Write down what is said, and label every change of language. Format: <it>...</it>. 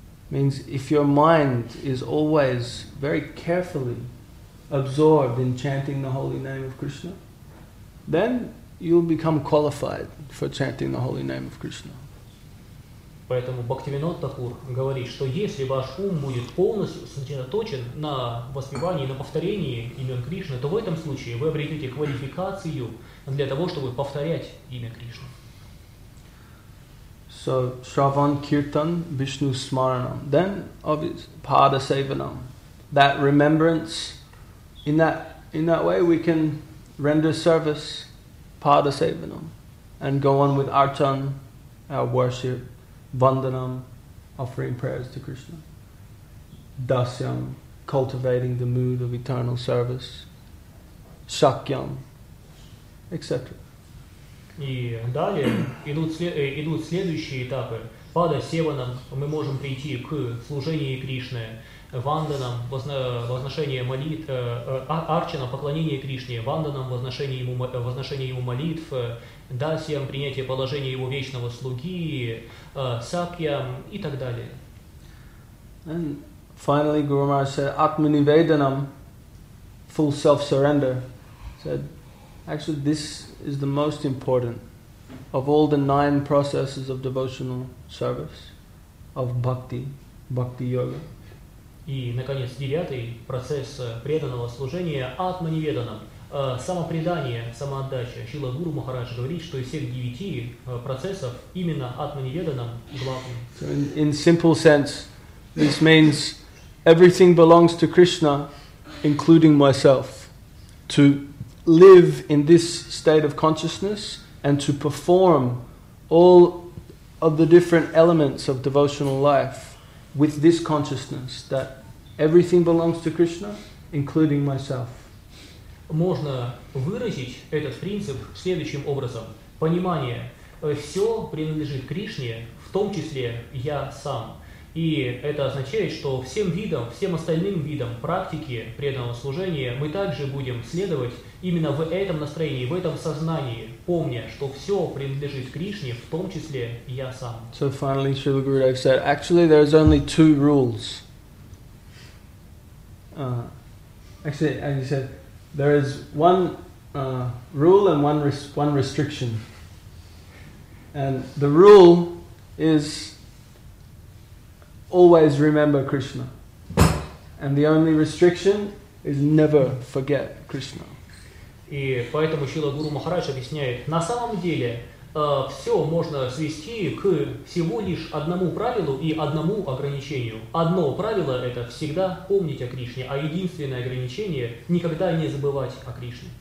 <en>Means if your mind is always very carefully absorbed in chanting the holy name of Krishna, then you'll become qualified for chanting the holy name of Krishna.</en> <ru>Поэтому Бхактивинод Такур говорит, что если ваш ум будет полностью сосредоточен на воспевании, на повторении имен Кришны, то в этом случае вы обретете квалификацию для того, чтобы повторять имя Кришны.</ru> <en>So, Shravan Kirtan, Vishnu Smaranam. Then, obviously, Pada Sevanam. That remembrance, in that way we can render service, Pada Sevanam, and go on with Archan, our worship, Vandanam, offering prayers to Krishna. Dasyam, cultivating the mood of eternal service. Shakyam, etc.</en> <ru>И далее идут следующие этапы. Пада Севанам мы можем прийти к служению Кришне, Ванданам, возношение молитв, Арчана, поклонение Кришне, Ванданам, возношение ему молитв, Дасьям, принятие положения его вечного слуги, Сакьям и так далее.</ru> <en>And finally Guru Maharaj said, Атманиведанам, full self-surrender, said, actually this is the most important of all the 9 processes of devotional service, of bhakti, bhakti yoga.</en> <ru>И, наконец, 9-й процесс преданного служения – атманиведанам. Самопредание, самоотдача. Шрила Гуру Махарадж говорит, что из всех 9 процессов именно атманиведанам главным.</ru> <en>So in simple sense, this means everything belongs to Krishna, including myself. To live in this state of consciousness and to perform all of the different elements of devotional life with this consciousness that everything belongs to Krishna, including myself.</en> <ru>Можно выразить этот принцип следующим образом. Понимание. Все принадлежит Кришне, в том числе я сам. И это означает, что всем видам, всем остальным видам практики преданного служения мы также будем следовать именно в этом настроении, в этом сознании, помня, что все принадлежит Кришне, в том числе я сам.</ru> <en>So finally, Srila Gurudev said, actually, there is only 2 rules. There is one rule and one restriction. And the rule is always remember Krishna. And the only restriction is never forget Krishna.</en> <ru>И поэтому Шрила Гуру Махарадж объясняет, на самом деле все можно свести к всего лишь одному правилу и одному ограничению. Одно правило – это всегда помнить о Кришне, а единственное ограничение – никогда не забывать о Кришне.</ru>